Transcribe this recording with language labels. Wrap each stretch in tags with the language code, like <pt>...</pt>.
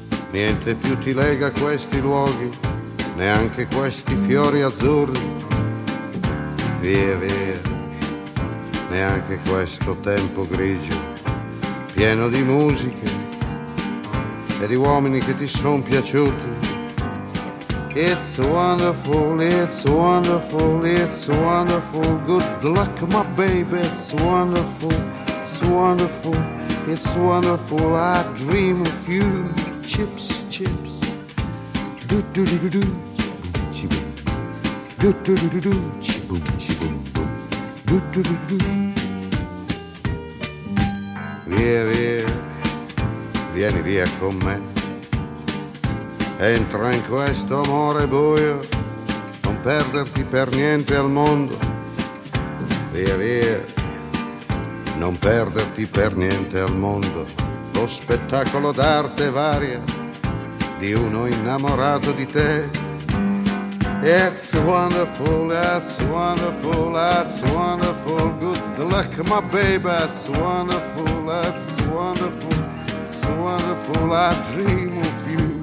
<it>Niente più ti lega a questi luoghi, neanche questi fiori azzurri. Via, via, neanche questo tempo grigio, pieno di musiche e di uomini che ti son piaciuti.</it> <en>It's wonderful, it's wonderful, it's wonderful. Good luck, my baby, it's wonderful, it's wonderful, it's wonderful. I dream of you, chips, chips. Do-do-do-do-do, chi-boom. Do-do-do-do-do, chi-boom, chi-boom, boom. Do-do-do-do-do.</en> <it>Via, via, vieni via con me. Entra in questo amore buio, non perderti per niente al mondo. Via, via, non perderti per niente al mondo. Lo spettacolo d'arte varia di uno innamorato di te.</it> <en>It's wonderful, that's wonderful, that's wonderful. Good luck, my baby, that's wonderful, that's wonderful, it's wonderful, I dream of you.</en>